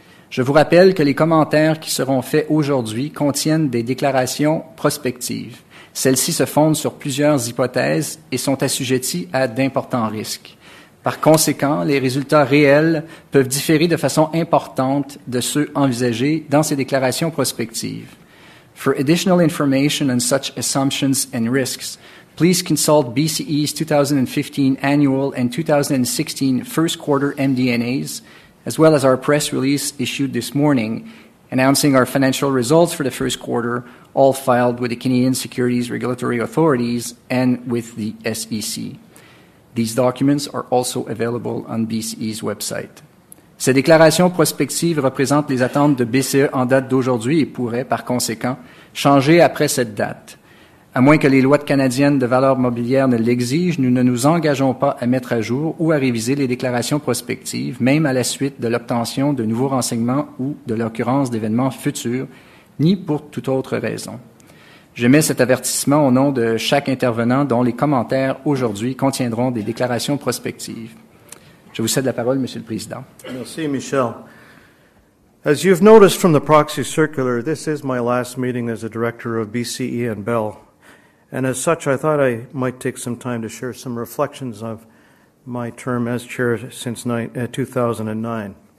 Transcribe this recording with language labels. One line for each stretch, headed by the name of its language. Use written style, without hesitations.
French: Je vous rappelle que les commentaires qui seront faits aujourd'hui contiennent des déclarations prospectives. Celles-ci se fondent sur plusieurs hypothèses et sont assujetties à d'importants risques. Par conséquent, les résultats réels peuvent différer de façon importante de ceux envisagés dans ces déclarations prospectives.
English: For additional information on such assumptions and risks, please consult BCE's 2015 annual and 2016 first quarter MD&As, as well as our press release issued this morning, announcing our financial results for the first quarter, all filed with the Canadian Securities Regulatory Authorities and with the SEC. These documents are also available on BCE's website.
French: Ces déclarations prospectives représentent les attentes de BCE en date d'aujourd'hui et pourraient, par conséquent, changer après cette date. À moins que les lois canadiennes de valeur mobilière ne l'exigent, nous ne nous engageons pas à mettre à jour ou à réviser les déclarations prospectives, même à la suite de l'obtention de nouveaux renseignements ou de l'occurrence d'événements futurs, ni pour toute autre raison. Je mets cet avertissement au nom de chaque intervenant dont les commentaires aujourd'hui contiendront des déclarations prospectives. Je vous cède la parole, Monsieur le Président. Merci, Michel.
English: As you've noticed from the proxy circular, this is my last meeting as a director of BCE and Bell. And as such, I thought I might take some time to share some reflections of my term as chair since 2009.